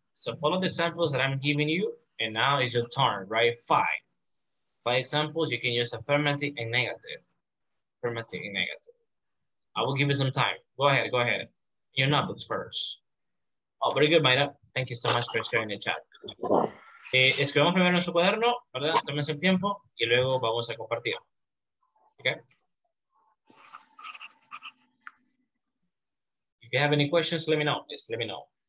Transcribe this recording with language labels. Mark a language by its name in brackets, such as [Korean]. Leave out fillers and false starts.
[English] So follow the examples that I'm giving you. And now it's your turn, right? 5. By examples, you can use affirmative and negative. Affirmative and negative. I will give you some time. Go ahead, go ahead. Your notebooks first. Oh, very good, Mayra. Thank you so much for sharing the chat. [Spanish] Escribamos primero en su cuaderno, ¿verdad? Tómense el tiempo y luego vamos a compartir. [English] Okay? If you have any questions, let me know. Please let me know.